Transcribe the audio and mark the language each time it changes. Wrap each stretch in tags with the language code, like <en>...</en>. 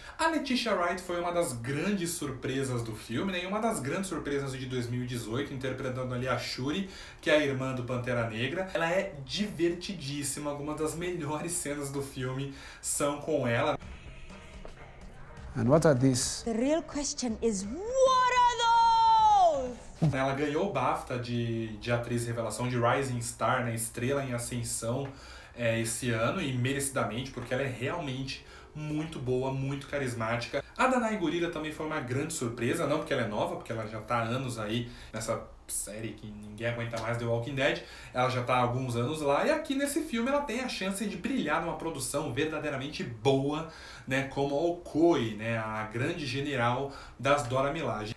<pt>A Letitia Wright foi uma das grandes surpresas do filme, né? E uma das grandes surpresas de 2018, interpretando ali a Shuri, que é a irmã do Pantera Negra. Ela é divertidíssima, algumas das melhores cenas do filme são com ela.</pt> <en>And what are these? The real question is, what are those?</en> <pt>Ela ganhou o BAFTA de atriz revelação, de Rising Star, né, estrela em ascensão, esse ano, e merecidamente, porque ela é realmente muito boa, muito carismática. A Danai Gurira também foi uma grande surpresa, não porque ela é nova, porque ela já tá há anos aí nessa série que ninguém aguenta mais, The Walking Dead, ela já tá há alguns anos lá, e aqui nesse filme ela tem a chance de brilhar numa produção verdadeiramente boa, né, como a Okoye, né, a grande general das Dora Milaje.</pt>